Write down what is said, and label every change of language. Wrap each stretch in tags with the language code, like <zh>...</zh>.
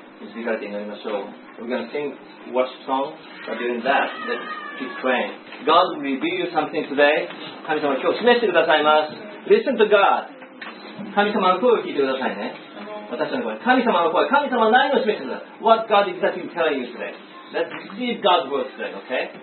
<en>We're going to sing worship song. But during that, let's keep praying. God will reveal you something today.</en> <ja>神様、今日示してくださいます。</ja> <en>Listen to God.</en> <ja>神様の声を聞いてくださいね。私の声。神様の声。神様は何を示してください。</ja> <en>What God is exactly telling you today. Let's receive God's word today, okay?</en>